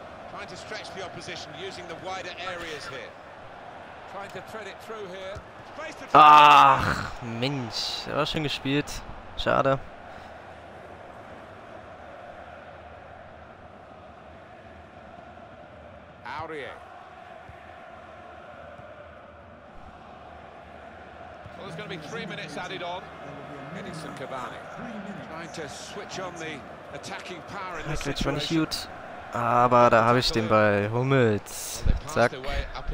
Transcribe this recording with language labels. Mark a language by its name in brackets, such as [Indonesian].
[English] Trying to stretch the opposition using the wider areas here. Trying to thread it through here. [German] Ach, Mensch, war schön gespielt. Schade. Aurier. [English] Well, there's going to be 3 minutes added on. Edinson Cavani. Trying to switch on the attacking power in this situation. [German] Nicht gut. Aber da habe ich den Ball. Hummels. Zack.